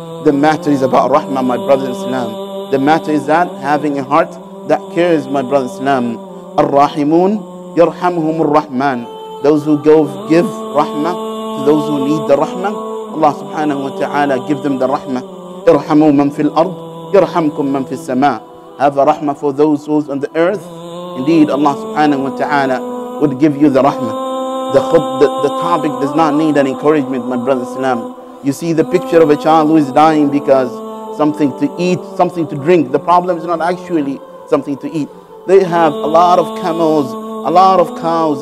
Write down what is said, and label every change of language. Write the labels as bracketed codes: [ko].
[en] The matter is about rahmah, my brother in Islam. The matter is that having a heart that cares, my brother in Islam. [ar] الرحمون يرحمهم الرحمن. [en] Those who give rahmah to those who need the rahmah, Allah subhanahu wa ta'ala give them the rahmah. [ar] ارحموا من في الأرض يرحمكم من في السماء. [en] Have a rahmah for those who's on the earth. Indeed, Allah subhanahu wa ta'ala would give you the rahmah. The topic does not need an encouragement, my brother Islam. You see the picture of a child who is dying because something to eat, something to drink. The problem is not actually something to eat. They have a lot of camels, a lot of cows.